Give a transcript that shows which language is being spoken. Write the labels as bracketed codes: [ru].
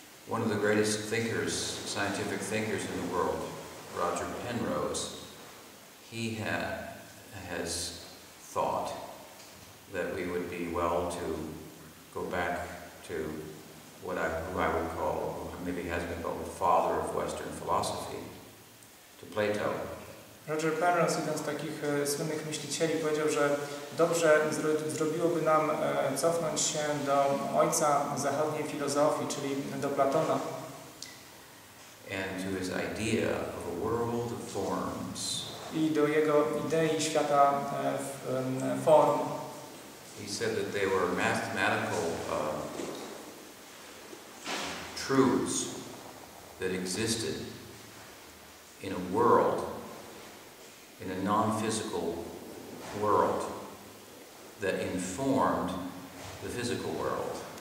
[en] One of the greatest thinkers, scientific thinkers in the world, Roger Penrose, he has thought that we would be well to go back to who I would call, maybe has been called, the father of Western philosophy, to Plato. [pl] Roger Penrose, jeden z takich słynnych myślicieli, powiedział, że dobrze zrobiłoby nam cofnąć się do ojca zachodniej filozofii, czyli do Platona. [en] And to his idea of a world of forms. [pl] I do jego idei świata form. [en] He said that they were mathematical truths that existed in a world, in a non-physical world that informed the physical world.